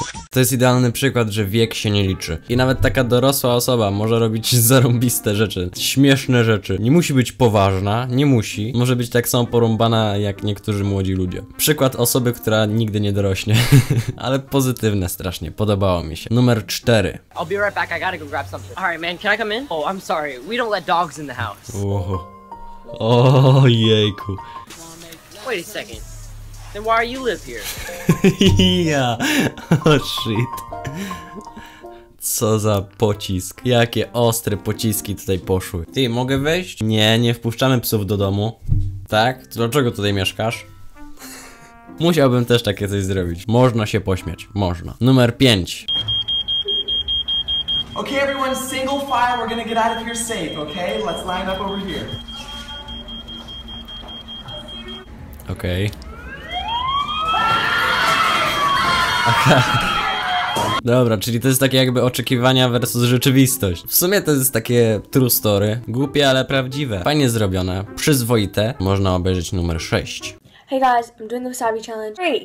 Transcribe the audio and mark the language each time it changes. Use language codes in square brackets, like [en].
[pl] To jest idealny przykład, że wiek się nie liczy. I nawet taka dorosła osoba może robić zarąbiste rzeczy, śmieszne rzeczy. Nie musi być poważna, nie musi. Może być tak samo porąbana jak niektórzy młodzi ludzie. Przykład osoby, która nigdy nie dorośnie. Ale pozytywne strasznie, podobało mi się. Numer 4. [en] I'll be right back, I gotta go grab something. Alright man, can I come in? Oh, I'm sorry, we don't let dogs in the house. Oho. [pl] O jejku. [en] Wait a second. Then why are you live here? Yeah. Oh shit. [pl] Co za pocisk. Jakie ostre pociski tutaj poszły. Ty, mogę wejść? Nie, nie wpuszczamy psów do domu. Tak? Dlaczego tutaj mieszkasz? Musiałbym też takie coś zrobić. Można się pośmiać. Można. Numer 5. [en] Okay, everyone, single file, we're gonna get out of here safe, okay? Let's line up over here. Okay. [pl] Dobra, czyli to jest takie jakby oczekiwania versus rzeczywistość. W sumie to jest takie [en] true story. [pl] Głupie, ale prawdziwe. Fajnie zrobione, przyzwoite. Można obejrzeć numer 6. [en] Hey guys, I'm doing the wasabi challenge.